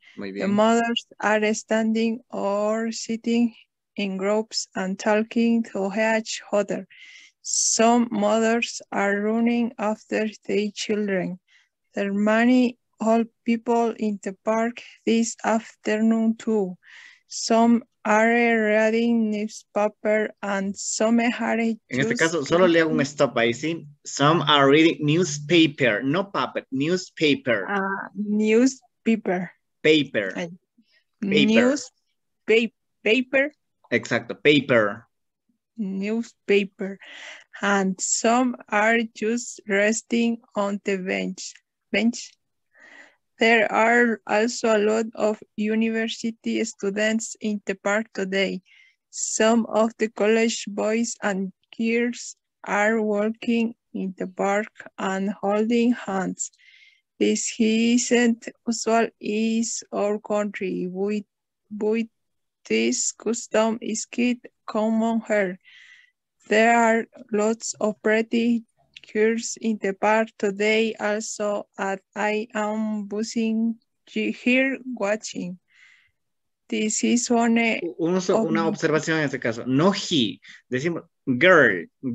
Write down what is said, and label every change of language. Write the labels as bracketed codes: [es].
[en] The mothers are standing or sitting in groups and talking to each other. Some mothers are running after their children. There are many old people in the park this afternoon too. Some are reading newspaper and some are... [es] En este caso, solo le hago un stop ahí, ¿sí? [en] Some are reading newspaper, no paper, newspaper. Newspaper. Paper. Newspaper. [es] Exacto, [en] paper. Newspaper. And some are just resting on the bench. Bench. There are also a lot of university students in the park today. Some of the college boys and girls are walking in the park and holding hands. This isn't usual in our country. But this custom is quite common here. There are lots of pretty girls in the park today also, and I am busing here watching. This is one... [es] Una observación en este caso. No he. Decimos girl.